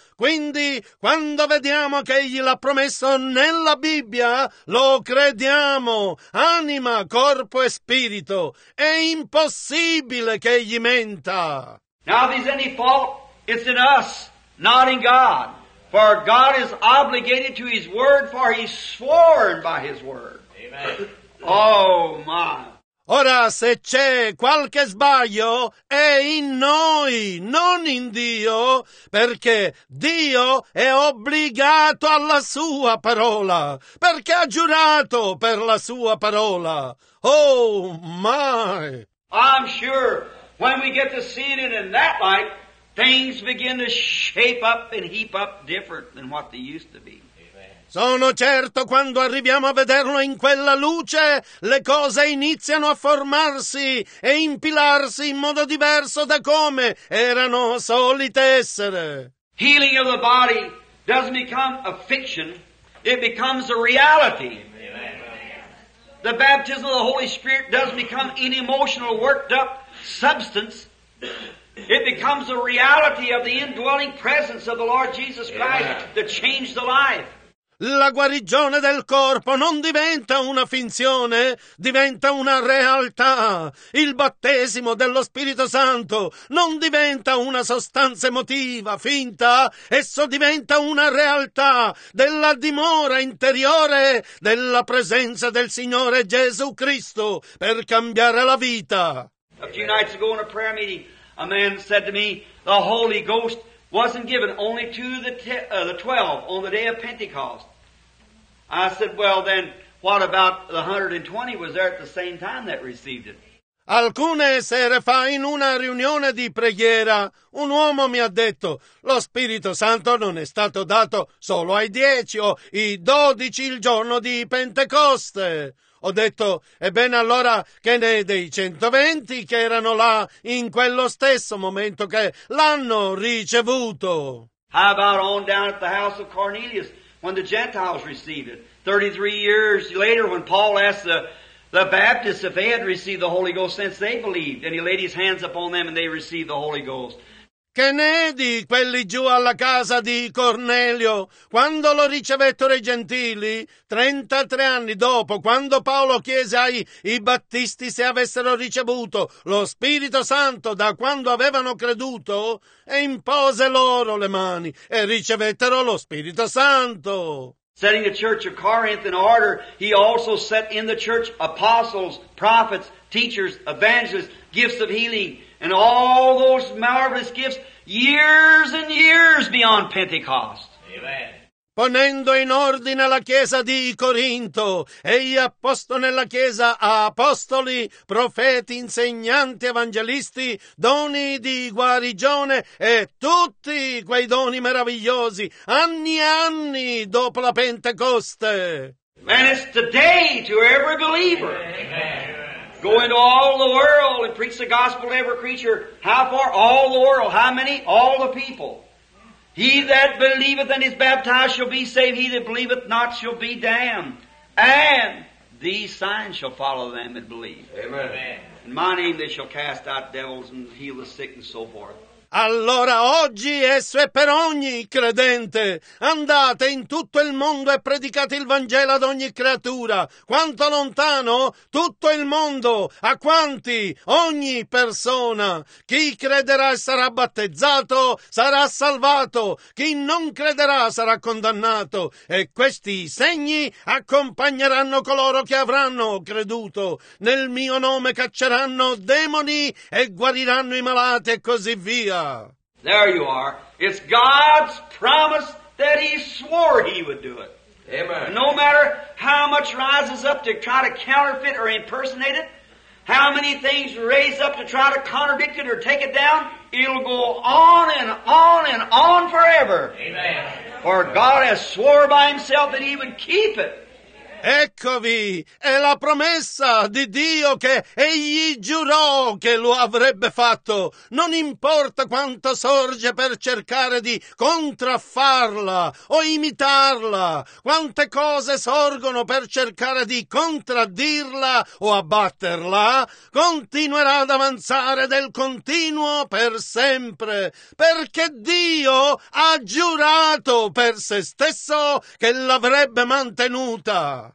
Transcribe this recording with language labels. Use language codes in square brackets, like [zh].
[it] Quindi, quando vediamo che Egli l'ha promesso nella Bibbia, lo crediamo, anima, corpo e spirito. È impossibile che Egli menta. [en] Now, if there's any fault, it's in us, not in God. For God is obligated to His Word, for He's sworn by His Word. Amen. Oh, my. [it] Ora, se c'è qualche sbaglio, è in noi, non in Dio, perché Dio è obbligato alla sua parola, perché ha giurato per la sua parola. [en] Oh, my! I'm sure when we get to seeing it in that light, things begin to shape up and heap up different than what they used to be. [it] Sono certo quando arriviamo a vederlo in quella luce, le cose iniziano a formarsi e impilarsi in modo diverso da come erano solite essere. [en] Healing of the body doesn't become a fiction, it becomes a reality. Amen. The baptism of the Holy Spirit doesn't become an emotional worked up substance. It becomes a reality of the indwelling presence of the Lord Jesus Christ. Amen. To change the life. [it] La guarigione del corpo non diventa una finzione, diventa una realtà. Il battesimo dello Spirito Santo non diventa una sostanza emotiva, finta. Esso diventa una realtà della dimora interiore della presenza del Signore Gesù Cristo per cambiare la vita. [en] A few nights ago in a prayer meeting, a man said to me, the Holy Ghost wasn't given only to the 12 on the day of Pentecost. I said, well then, what about the 120 was there at the same time that received it? [it] Alcune sere fa in una riunione di preghiera, un uomo mi ha detto, lo Spirito Santo non è stato dato solo ai 10 o i 12 il giorno di Pentecoste. Ho detto, ebbene allora che ne è dei 120 che erano là in quello stesso momento che l'hanno ricevuto? [en] How about on down at the house of Cornelius when the Gentiles received it? 33 years later when Paul asked the Baptists if they had received the Holy Ghost since they believed and he laid his hands upon them and they received the Holy Ghost. [it] Che ne è di quelli giù alla casa di Cornelio, quando lo ricevettero i gentili, 33 anni dopo, quando Paolo chiese ai battisti se avessero ricevuto lo Spirito Santo da quando avevano creduto, e impose loro le mani e ricevettero lo Spirito Santo. [en] Setting the church of Corinth in order, he also set in the church apostles, prophets, teachers, evangelists, gifts of healing, and all those marvelous gifts, years and years beyond Pentecost. Amen. [it] Ponendo in ordine la chiesa di Corinto, egli ha posto nella chiesa apostoli, profeti, insegnanti, evangelisti, doni di guarigione e tutti quei doni meravigliosi, anni e anni dopo la Pentecoste. [en] And it's today to every believer. Amen. Go into all the world and preach the gospel to every creature. How far? All the world. How many? All the people. He that believeth and is baptized shall be saved. He that believeth not shall be damned. And These signs shall follow them that believe. Amen. In my name they shall cast out devils and heal the sick and so forth. [it] Allora oggi esso è per ogni credente. Andate in tutto il mondo e predicate il Vangelo ad ogni creatura. Quanto lontano? Tutto il mondo. A quanti? Ogni persona. Chi crederà e sarà battezzato sarà salvato. Chi non crederà sarà condannato. E questi segni accompagneranno coloro che avranno creduto. Nel mio nome cacceranno demoni e guariranno i malati e così via. [en] There you are. It's God's promise that he swore he would do it. Amen. No matter how much rises up to try to counterfeit or impersonate it, how many things raise up to try to contradict it or take it down, it'll go on and on and on forever. Amen. For God has swore by himself that he would keep it. [it] Eccovi, è la promessa di Dio che egli giurò che lo avrebbe fatto. Non importa quanto sorge per cercare di contraffarla o imitarla, quante cose sorgono per cercare di contraddirla o abbatterla, continuerà ad avanzare del continuo per sempre, perché Dio ha giurato per se stesso che l'avrebbe mantenuta.